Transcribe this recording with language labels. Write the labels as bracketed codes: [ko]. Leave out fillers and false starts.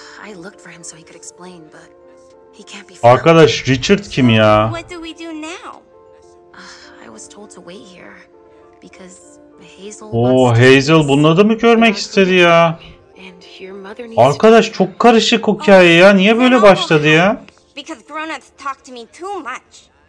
[en] I looked for him so he could explain, but he can't be found. [tr] Arkadaş, Richard kim ya? [en] What do we do now? I was told to wait here because Hazel. [tr] Oh, Hazel, bunu da mı görmek istedi ya? Arkadaş çok karışık hikaye ya. Niye böyle başladı ya? [en] Because grown-ups talk to me too much.